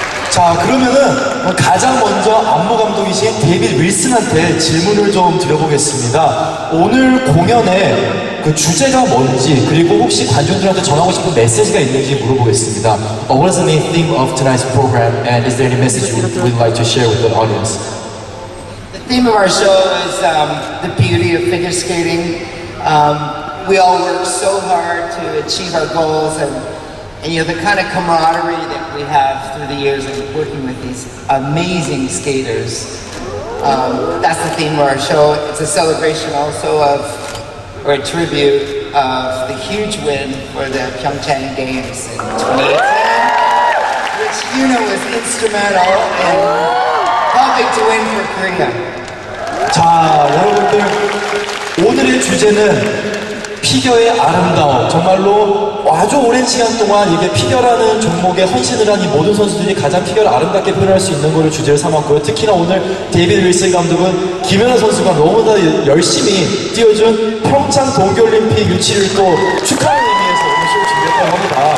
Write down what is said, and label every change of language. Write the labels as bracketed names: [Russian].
[Korean] 자, 그러면은 가장 먼저 안무 감독이신 데이빗 윌슨한테 질문을 좀 드려보겠습니다. 오늘 공연의 그 주제가 뭔지, 그리고 혹시 관중들한테 전하고 싶은 메시지가 있는지 물어보겠습니다. [English] What is the main theme of tonight's program and is there any message you would like to share with the audience? The theme of our show is the beauty of figure skating. We all work so hard to achieve our goals and you know, the kind of camaraderie that we have through the years of working with these amazing skaters. That's the theme of our show. It's a celebration also of, or a tribute of the huge win for the Pyeongchang Games in 2018, which, you know, was instrumental in helping to win for Korea. [Korean] 자, 여러분들, 오늘의 주제는 피겨의 아름다움. 정말로 아주 오랜 시간 동안 이게 피겨라는 종목에 헌신을 한 이 모든 선수들이 가장 피겨를 아름답게 표현할 수 있는 것을 주제로 삼았고요. 특히나 오늘 데이빗 윌슨 감독은 김연아 선수가 너무나 열심히 뛰어준 평창 동계올림픽 유치를 또 축하하는 의미에서 오늘 쇼를 준비했다고 합니다.